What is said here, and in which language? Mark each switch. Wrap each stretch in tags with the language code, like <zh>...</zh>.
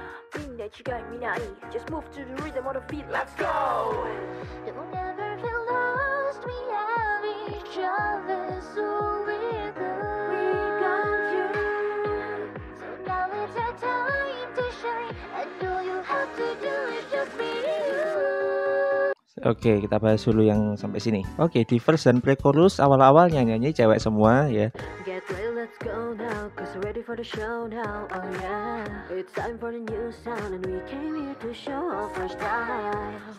<en>Think that you got me now, just move to the rhythm of the beat, let's go! You'll never feel lost, we have each other, so we're good. We got you. So now it's our time to shine, and all you have to do is just be.</en> <id>Oke, kita bahas dulu yang sampai sini. Oke, di verse dan pre-chorus awal-awal nyanyi cewek semua ya.</id> <en>Get ready, let's go now, cause we're ready for the show now, oh yeah. It's time for the new sound, and we came here to show off our style.</en>